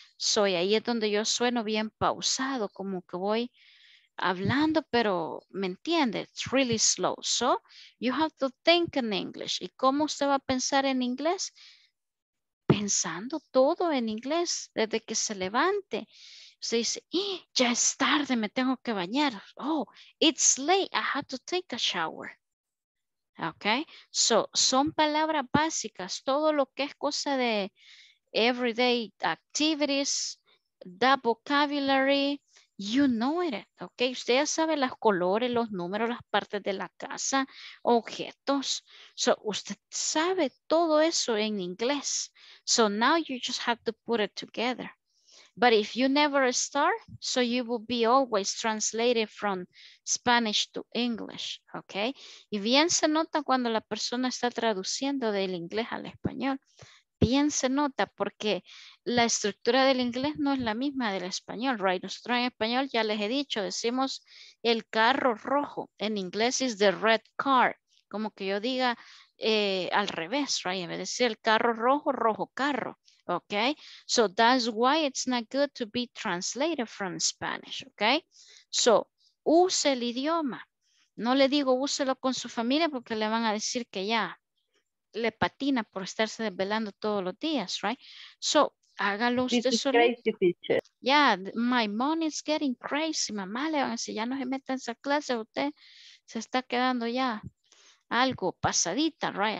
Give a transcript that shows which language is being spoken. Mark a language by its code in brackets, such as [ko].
[es] So ahí es donde yo sueno bien pausado, como que voy hablando, pero me entiende, [en] it's really slow. So you have to think in English. [es] ¿Y cómo usted va a pensar en inglés? Pensando todo en inglés, desde que se levante. Se dice, ya es tarde, me tengo que bañar. [en] Oh, it's late, I have to take a shower. [es] Ok, so son palabras básicas. Todo lo que es cosa de [en] everyday activities, the vocabulary, you know it. [es] Ok, usted ya sabe los colores, los números, las partes de la casa, objetos. So usted sabe todo eso en inglés. [en] So now you just have to put it together. But if you never start, so you will be always translated from Spanish to English, okay? [es] Y bien se nota cuando la persona está traduciendo del inglés al español. Bien se nota porque la estructura del inglés no es la misma del español, right? Nosotros en español ya les he dicho, decimos el carro rojo. En inglés [en] is the red car. [es] Como que yo diga al revés, right? En vez de decir el carro rojo, rojo carro. [en] Okay, so that's why it's not good to be translated from Spanish, okay? So, use [es] el idioma. No le digo úselo con su familia porque le van a decir que ya le patina por estarse desvelando todos los días, right? [en] So, [es] hágalo usted solo. [en] Yeah, my money is getting crazy. [es] Mamá, le van a decir, ya no se meta en esa clase. Usted se está quedando ya algo pasadita, right?